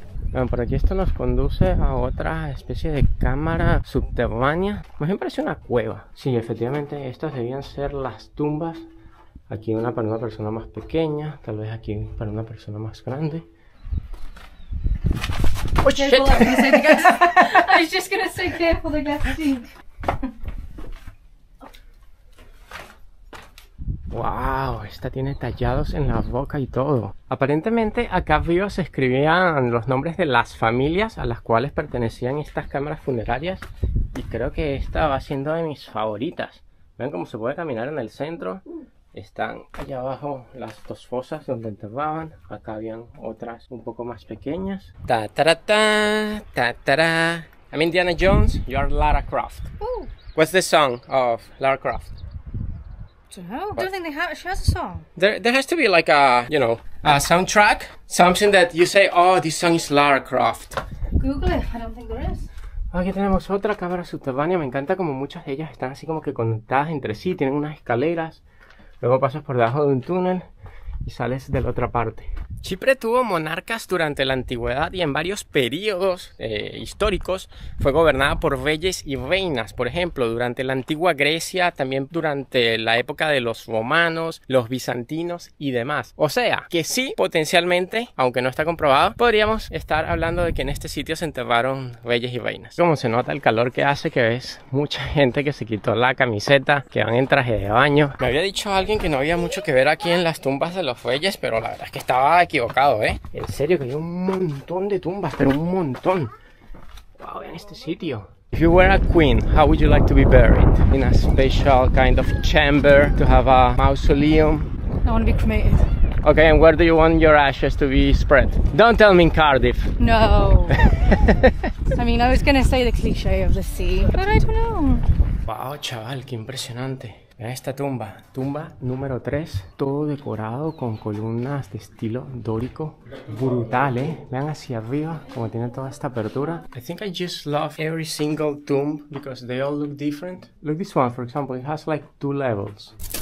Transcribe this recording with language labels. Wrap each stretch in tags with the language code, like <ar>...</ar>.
<es>Bueno, por aquí esto nos conduce a otra especie de cámara subterránea. Más bien parece una cueva. Sí, efectivamente, estas debían ser las tumbas. Aquí una para una persona más pequeña, tal vez aquí para una persona más grande.</es> <en>¡Oh, shit! Careful, I was just gonna say, careful, the glass sink. ¡Wow!</en> <es>Esta tiene tallados en la boca y todo. Aparentemente acá arriba se escribían los nombres de las familias a las cuales pertenecían estas cámaras funerarias. Y creo que esta va siendo de mis favoritas. ¿Ven cómo se puede caminar en el centro? Están allá abajo las 2 fosas donde enterraban. Acá habían otras un poco más pequeñas. Ta ta ta ta ta ta.</es> <en>I'm Indiana Jones, you're Lara Croft. Ooh. What's the song of Lara Croft? I don't know. I don't think they have. She has a song. There has to be like a, you know, a soundtrack. Something that you say, oh, this song is Lara Croft. Google it. I don't think there is.</en> <es>Aquí tenemos otra cámara subterránea. Me encanta como muchas de ellas están así como que conectadas entre sí. Tienen unas escaleras. Luego pasas por debajo de un túnel y sales de la otra parte. Chipre tuvo monarcas durante la antigüedad y en varios periodos históricos fue gobernada por reyes y reinas. Por ejemplo, durante la antigua Grecia, también durante la época de los romanos, los bizantinos y demás. O sea, que sí, potencialmente, aunque no está comprobado, podríamos estar hablando de que en este sitio se enterraron reyes y reinas. Como se nota el calor que hace, que ves mucha gente que se quitó la camiseta, que van en traje de baño. Me había dicho alguien que no había mucho que ver aquí en las tumbas de los reyes, pero la verdad es que estaba equivocado, ¿eh? En serio, que hay un montón de tumbas, pero un montón. Wow, en este sitio.</es> <en>If you were a queen, how would you like to be buried? In a special kind of chamber to have a mausoleum? I want to be cremated. Okay, and where do you want your ashes to be spread? Don't tell me in Cardiff. No. I mean, I was gonna say the cliche of the sea, but I don't know.</en> <es>Wow, chaval, qué impresionante. Esta tumba, tumba número 3, todo decorado con columnas de estilo dórico, brutal, ¿eh? Vean hacia arriba como tiene toda esta apertura.</es> <en>I think I just love every single tomb because they all look different. Look this one, for example, it has like 2 levels.</en>